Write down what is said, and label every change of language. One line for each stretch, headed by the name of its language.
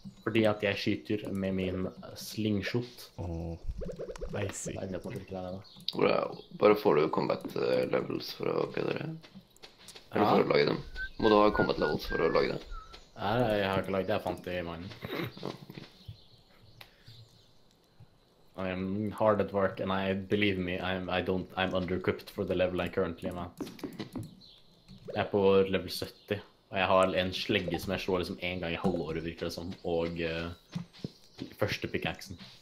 Norwegian: Fordi at jeg skyter med min slingshot.
English: Åh, I see.
Norwegian: Jeg er nødt til å trykke der, da. Bare får du combat levels for å bedre? Ja. Eller for å lage dem? Må du ha combat levels for å lage dem? Nei, jeg har ikke lagd det, jeg fant det i mine.
English: I am hard at work, and I believe me, I'm under-equipped for the level I currently am at.
Norwegian: Jeg er på level 70, og jeg har en slegge som jeg slår liksom en gang i halvåret, virker det som, og første pickaxen.